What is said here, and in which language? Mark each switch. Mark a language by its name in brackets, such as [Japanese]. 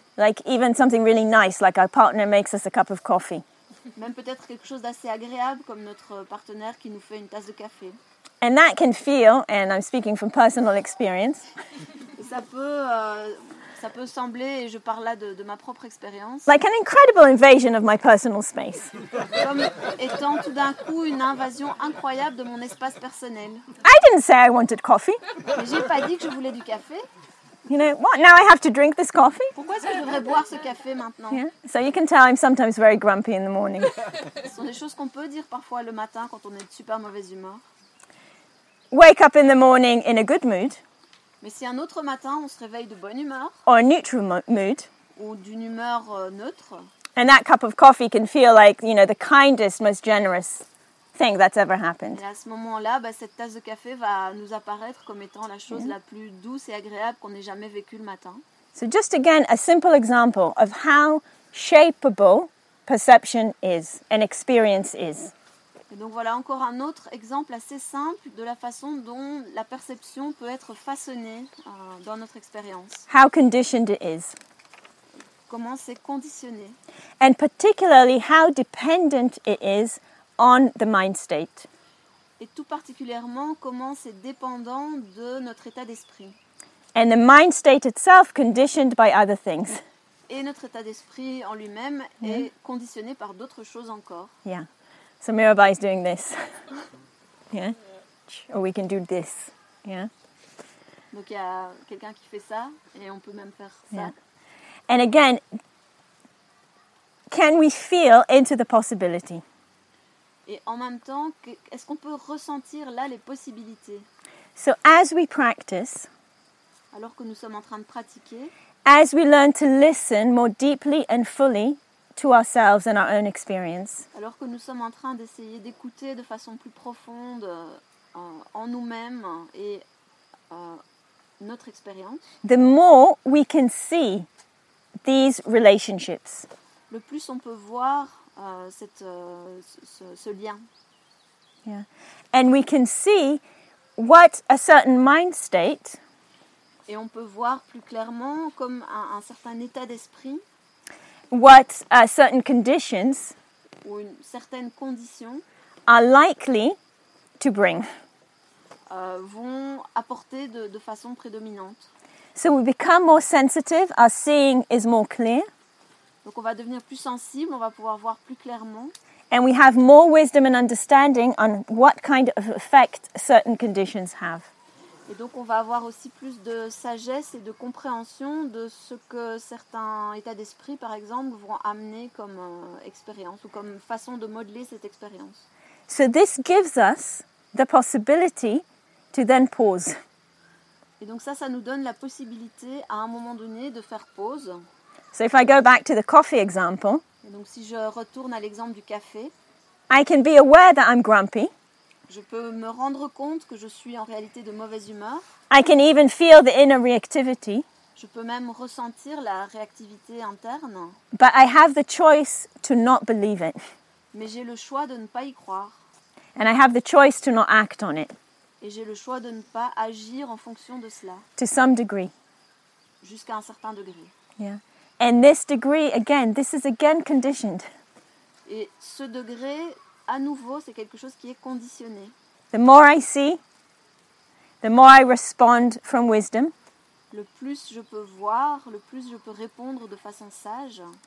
[English] Like even something really nice, like our partner makes us a cup of coffee. [French] Même peut-être quelque chose d'assez agréable, comme notre partenaire qui nous fait une tasse de café. [English] And that can feel, and I'm speaking from personal experience. [French] Ça peut sembler, et je parle là de ma propre expérience, [English] like an incredible invasion of my personal space. [French] Comme étant tout d'un coup une invasion incroyable de mon espace personnel. [English] I didn't say I wanted coffee. [French] Mais j'ai pas dit que je voulais du café. [English] You know what? Now I have to drink this coffee. [French] Pourquoi est-ce que je devrais boire ce café maintenant? Yeah. [English] So you can tell I'm sometimes very grumpy in the morning. [French] Ce sont des choses qu'on peut dire parfois le matin quand on est de super mauvaise humeur. [English] Wake up in the morning in a good mood. [French] Mais si un autre matin, on se réveille de bonne humeur, [English] or a neutral mood, [French] ou d'une humeur neutre, [English] and that cup of coffee can feel like, you know, the kindest, most generous thing that's ever happened. [French] Et à ce moment-là, bah, cette tasse de café va nous apparaître comme étant la chose la plus douce et agréable qu'on ait jamais vécue le matin. [English] So just again, a simple example of how shapeable perception is, and experience is. [French] Et donc voilà encore un autre exemple assez simple de la façon dont la perception peut être façonnée dans notre expérience. [English] How conditioned it is. [French] comment c'est conditionné. [English] And particularly how dependent it is on the mind state. [French] Et tout particulièrement comment c'est dépendant de notre état d'esprit. [English] And the mind state itself conditioned by other things. [French] Et notre état d'esprit en lui-même est conditionné par d'autres choses encore. [English] Yeah. So Mirabai is doing this. Yeah. Or we can do this. Yeah. [French] Donc il y a quelqu'un qui fait ça et on peut même faire ça. Yeah. [English] And again, can we feel into the possibility? [French] Et en même temps, est-ce qu'on peut ressentir là les possibilités? [English] So as we practice, [French] alors que nous sommes en train de pratiquer, [English] as we learn to listen more deeply and fully to ourselves and our own experience, [French] alors que nous sommes en train d'essayer d'écouter de façon plus profonde en nous-mêmes et notre expérience, [English] the more we can see these relationships. [French] Le plus on peut voir ce lien. Yeah. [English] And we can see what a certain mind state. [French] Et on peut voir plus clairement comme un certain état d'esprit. [English] What certain conditions. [French] Ou une certaine condition. [English] Are likely to bring. [French] Vont apporter de façon prédominante. [English] So we become more sensitive, our seeing is more clear. [French] Donc on va devenir plus sensible, on va pouvoir voir plus clairement. [English] And we have more wisdom and understanding on what kind of effect certain conditions have. [French] Et donc on va avoir aussi plus de sagesse et de compréhension de ce que certains états d'esprit, par exemple, vont amener comme expérience ou comme façon de modeler cette expérience. [English] So this gives us the possibility to then pause. [French] Et donc ça nous donne la possibilité à un moment donné de faire pause. [English] So if I go back to the coffee example. [French] Et donc si je retourne à l'exemple du café. [English] I can be aware that I'm grumpy. [French] Je peux me rendre compte que je suis en réalité de mauvaise humeur. [English] I can even feel the inner reactivity. [French] Je peux même ressentir la réactivité interne. [English] But I have the choice to not believe it. [French] Mais j'ai le choix de ne pas y croire. [English] And I have the choice to not act on it. [French] Et j'ai le choix de ne pas agir en fonction de cela. [English] To some degree. [French] Jusqu'à un certain degré. Yeah. [English] And this degree, again, this is again conditioned. [French] Et ce degré, à nouveau, c'est quelque chose qui est conditionné. [English] The more I see, the more I respond from wisdom. [French] Le plus je peux voir, le plus je peux répondre de façon sage.